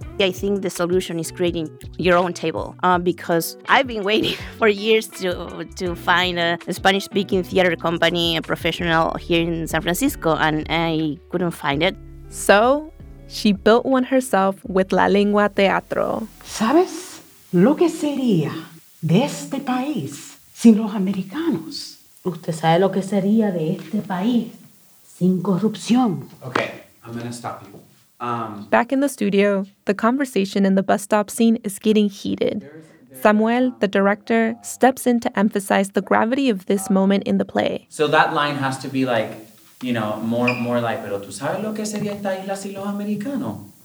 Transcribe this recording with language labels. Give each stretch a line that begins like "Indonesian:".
English: I think the solution is creating your own table because I've been waiting for years to find a Spanish-speaking theater company, a professional here in San Francisco, and I couldn't find it. So she built one herself with La Lengua Teatro.
Spanish: ¿Sabes lo que sería de este país sin los americanos? ¿Usted sabe lo que sería de este país?
English: Corruption. Okay, I'm gonna stop you. Back in the studio, the conversation in the bus stop scene is getting heated. Samuel, the director, steps in to emphasize the gravity of this moment in the play. So that line has to be like, you know, more like,
Spanish: pero tú sabes lo que sería esta isla sin los americanos?